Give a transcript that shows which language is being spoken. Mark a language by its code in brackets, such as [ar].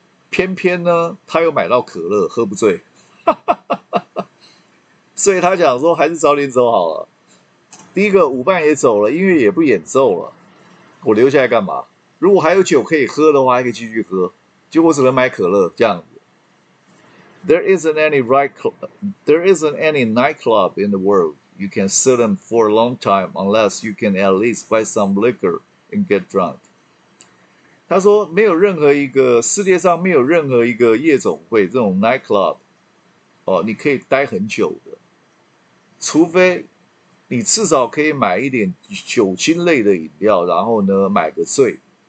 [zh] 偏偏呢，他又买到可乐，喝不醉。所以他讲说，还是早点走好了。第一个舞伴也走了，音乐也不演奏了，我留下来干嘛？如果还有酒可以喝的话，还可以继续喝。结果只能买可乐这样子。 [en] There isn't any nightclub in the world you can sit in for a long time unless you can at least buy some liquor and get drunk。 [zh] 他说没有任何一个世界上没有任何一个夜总会这种 nightclub，哦，你可以待很久的，除非你至少可以买一点酒精类的饮料，然后呢买个醉。